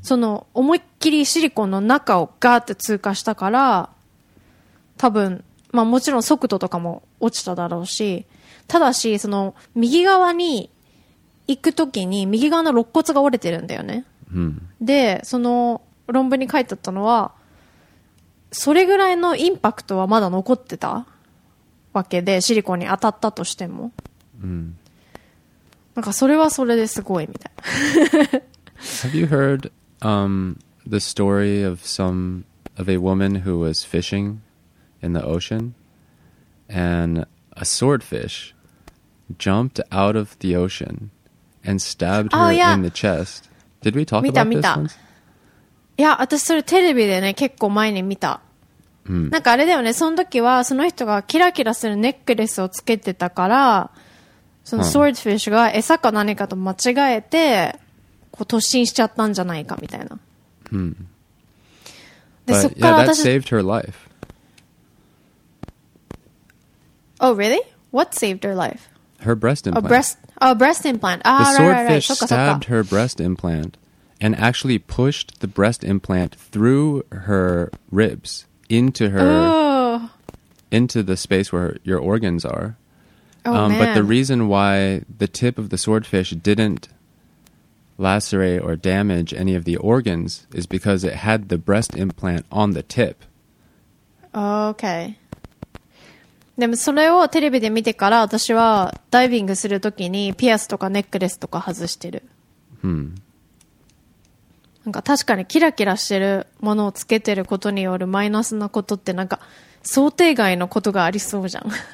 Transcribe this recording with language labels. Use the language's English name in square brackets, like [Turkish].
[Japanese] その思いっきりシリコンの中をガーって通過したから、多分、まあ、もちろん速度とかも落ちただろうし、ただしその右側に行くときに右側の肋骨が折れてるんだよね、うん、でその論文に書いてあったのは、それぐらいのインパクトはまだ残ってたわけで、シリコンに当たったとしても、うん、なんかそれはそれですごいみたい。 [English] Have you heard the story of a woman who was fishing in the ocean and a swordfish jumped out of the ocean and stabbed her in the chest? Did we talk about this? [Japanese] 見た。いや、私それテレビでね、結構前に見た。なんかあれだよね、その時はその人がキラキラするネックレスをつけてたから、そのソードフィッシュが餌か何かと間違えてこう突進しちゃったんじゃないかみたいな。うん。で、そっから私、 [English] yeah, that saved her life. Oh, really? What saved her life? Her breast implant. Breast implant. Ah, right, right, right. The swordfish stabbed her breast implant and actually pushed the breast implant through her ribs into her, into the space where your organs are. But the reason why the tip of the swordfish didn't lacerate or damage any of the organs is because it had the breast implant on the tip. Okay. [Japanese] でもそれをテレビで見てから私はダイビングするときにピアスとかネックレスとか外してる。なんか確かにキラキラしてるものをつけてることによるマイナスなことってなんか想定外のことがありそうじゃん。